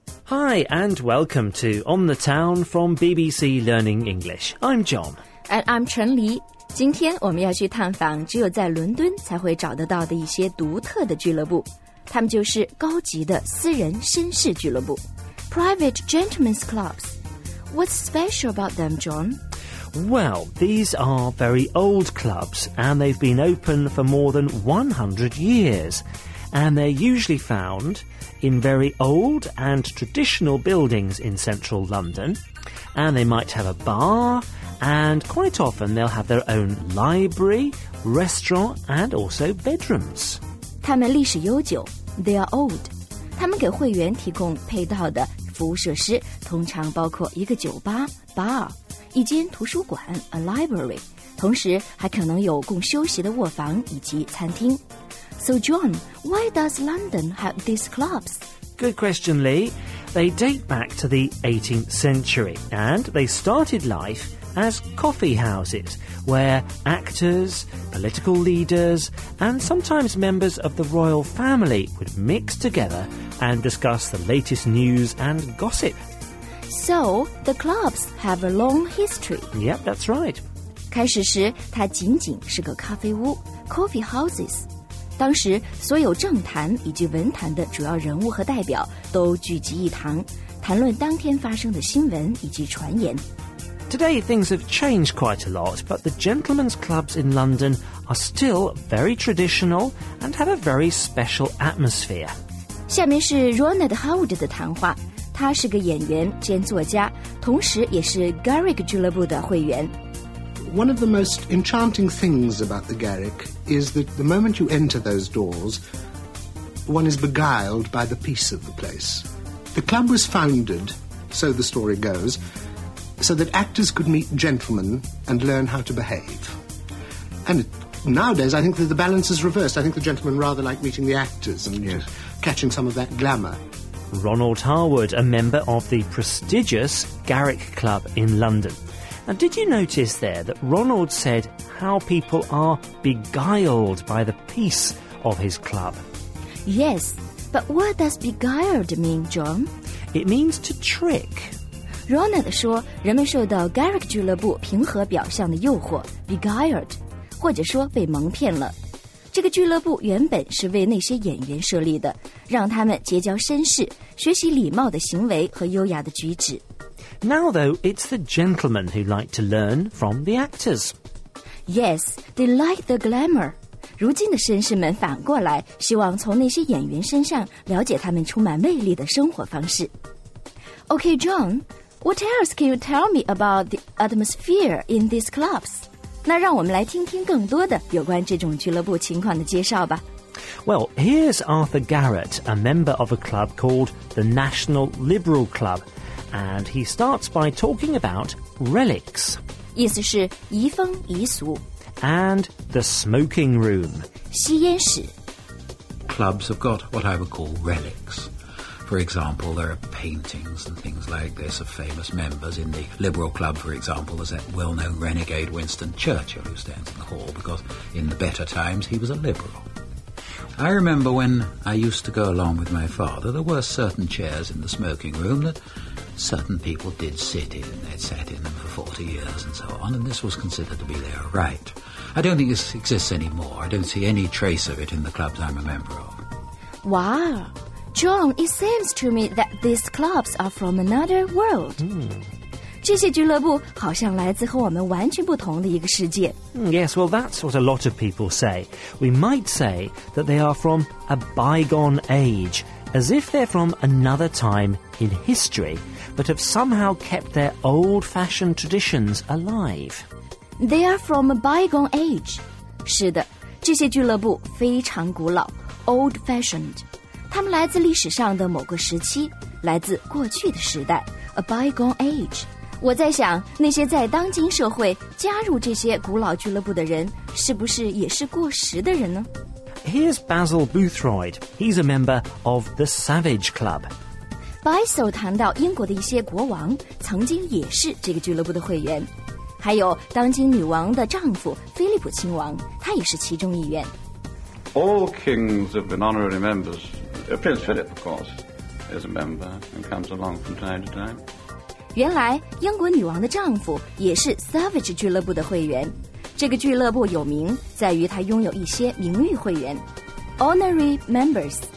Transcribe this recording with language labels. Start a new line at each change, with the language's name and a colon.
English: Hi, and welcome to On the Town from BBC Learning English. I'm John. And I'm Chen Li.
Chinese: 今天我们要去探访只有在伦敦才会找得到的一些独特的俱乐部。他们就是高级的私人绅士俱乐部。
English: Private gentlemen's clubs. What's special about them, John? Well, these are very old clubs, and they've been open for more than 100 years. And they're usually found in very old and traditional buildings in central London. And they might have a bar, and quite often they'll have their own library, restaurant, and also bedrooms.
Chinese: 他们历史悠久,
English: they are old.
Chinese: 他们给会员提供配套的服务设施通常包括一个酒吧 bar. 一间图书馆 a library, 同时还可能有供休息的卧房以及餐厅。
English: So John, why does London have these clubs? Good question, Lee. They date back to the 18th century, and they started life as coffee houses, where actors, political leaders, and sometimes members of the royal family would mix together and discuss the latest news and gossip. So, the clubs have a long history. Yep, that's right.
Chinese: 开始时它仅仅是个咖啡屋 coffee houses. 当时所有政坛以及文坛的主要人物和代表都聚集一堂谈论当天发生的新闻以及传言。
English: Today, things have changed quite a lot, but the gentlemen's clubs in London are still very traditional and have a very special atmosphere.
Chinese: 下面是 Ronald Howard 的谈话。他是个演员兼作家，同时也是 Garrick 俱乐部的会员。
English: One of the most enchanting things about the Garrick is that the moment you enter those doors, one is beguiled by the peace of the place. The club was founded, so the story goes, so that actors could meet gentlemen and learn how to behave. And nowadays, I think that the balance is reversed. I think the gentlemen rather like meeting the actors and yes. catching some of that glamour. Ronald Harwood, a member of the prestigious Garrick Club in London. Now, did you notice there that Ronald said how people are beguiled by the peace of his club? Yes, but what does beguiled mean, John? It means to trick.
Chinese: Ronald 说人们受到 Garrick 俱乐部平和表象的诱惑 beguiled, 或者说被蒙骗了。这个俱乐部原本是为那些演员设立的，让他们结交绅士，学习礼貌的行为和优雅的举止。
English: Now though, it's the gentlemen who like to learn from the actors. Yes, they like the glamour.
Chinese: 如今的绅士们反过来，希望从那些演员身上了解他们充满魅力的生活方式。
English: Okay, John, what else can you tell me about the atmosphere in these clubs?
Chinese: 那让我们来听听更多的有关这种俱乐部情况的介绍吧。
English: Well, here's Arthur Garrett, a member of a club called the National Liberal Club, and he starts by talking about relics.
Chinese: 意思是遗风遗俗。
English: And the smoking room.
Chinese: 吸烟室。
English: Clubs have got what I would call relics. For example, there are paintings and things like this of famous members in the Liberal Club, for example, there's that well-known renegade Winston Churchill who stands in the hall because in the better times he was a Liberal. I remember when I used to go along with my father, there were certain chairs in the smoking room that certain people did sit in. They'd sat in them for 40 years and so on, and this was considered to be their right. I don't think this exists anymore. I don't see any trace of it in the clubs I'm a member of. Wow! John, it seems to me that these clubs are from another world.
Chinese: 这些俱乐部好像来自和我们完全不同的一个世界。
English: Yes, well, that's what a lot of people say. We might say that they are from a bygone age, as if they're from another time in history, but have somehow kept their old-fashioned traditions alive. They are from a bygone age.
Chinese: 是的，这些俱乐部非常古老 old-fashioned. 他们来自历史上的某个时期，来自过去的时代 ，a bygone age。我在想，那些在当今社会加入这些古老俱乐部的人，是不是也是过时的人呢
English: ？Here's Basil Boothroyd. He's a member of the Savage Club.
Chinese: Basil 谈到英国的一些国王曾经也是这个俱乐部的会员，还有当今女王的丈夫菲利普亲王，他也是其中一员。
English: All kings have been honorary members.Prince Philip, of course. as a member and comes along from time to time.
Chinese: 原来英国女王的丈夫也是 Savage 俱乐部的会员。这个俱乐部有名在于它拥有一些名誉会员 ,honorary members.